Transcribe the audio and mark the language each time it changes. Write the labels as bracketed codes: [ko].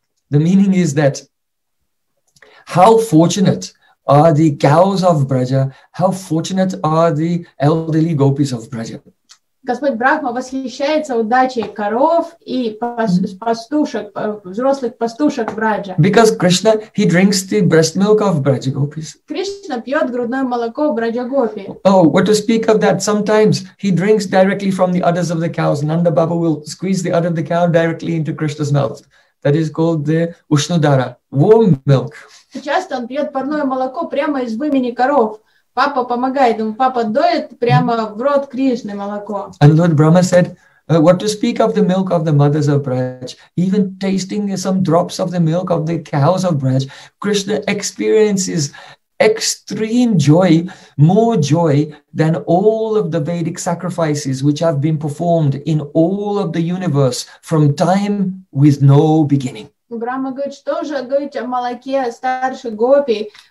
[en] The meaning is that how fortunate are the cows of Braja, how fortunate are the elderly gopis of Braja. [ru] Господь Брахма восхищается удачей коров и пастушек, взрослых пастушек Браджа. [en] Because Krishna, he drinks the breast milk of Braja Gopis. [ru] Кришна пьет грудное молоко Браджа Гопи. [en] Oh, what to speak of that? Sometimes he drinks directly from the udders of the cows. Nanda Baba will squeeze the udder of the cow directly into Krishna's mouth. That is called the Ushnodara, warm milk. [ru] Часто он пьет парное молоко прямо из вымени коров. Папа помогает ему. Папа доит прямо в рот Кришны молоко. [en] And Lord Brahma said, what to speak of the milk of the mothers of Braj? Even tasting some drops of the milk of the cows of Braj, Krishna experiences extreme joy, more joy than all of the Vedic sacrifices which have been performed in all of the universe from time with no beginning. [ru] Брахма говорит, что же говорить о молоке старших гопи?